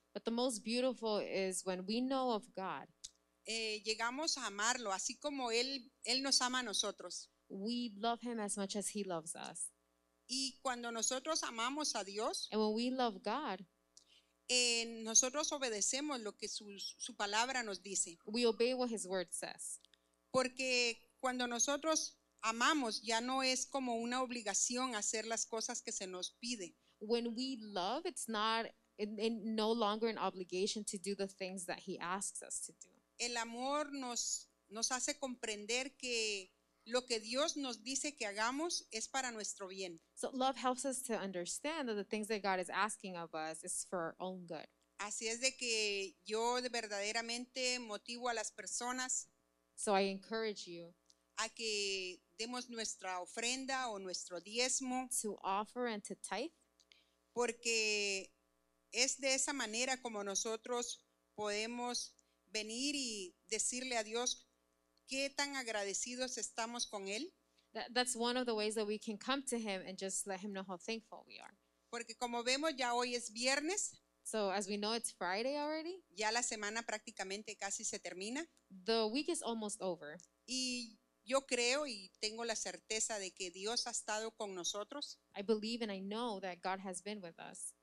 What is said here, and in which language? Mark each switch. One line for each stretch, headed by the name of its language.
English: but the most beautiful is when we know of God.
Spanish: Llegamos a amarlo, así como él nos ama a nosotros.
English: We love Him as much as He loves us.
Spanish: Y cuando nosotros amamos a Dios,
English: and when we love God,
Spanish: nosotros obedecemos lo que su palabra nos dice.
English: We obey what His word says.
Spanish: Porque cuando nosotros amamos, ya no es como una obligación hacer las cosas que se nos pide.
English: When we love, it's not no longer an obligation to do the things that He asks us to do.
Spanish: El amor nos hace comprender que lo que Dios nos dice que hagamos es para nuestro bien.
English: So love helps us to understand that the things that God is asking of us is for our own good.
Spanish: Así es de que yo verdaderamente motivo a las personas.
English: So I encourage you.
Spanish: a que demos nuestra ofrenda o nuestro diezmo.
English: To offer and to tithe.
Spanish: Porque es de esa manera como nosotros podemos venir y decirle a Dios qué tan agradecidos estamos con Él.
English: That's one of the ways that we can come to Him and just let Him know how thankful we are.
Spanish: Porque como vemos, ya hoy es viernes.
English: So as we know, it's Friday already.
Spanish: Ya la semana prácticamente casi se termina.
English: The week is almost over.
Spanish: Y yo creo y tengo la certeza de que Dios ha estado con nosotros.
English: I believe and I know that God has been with us.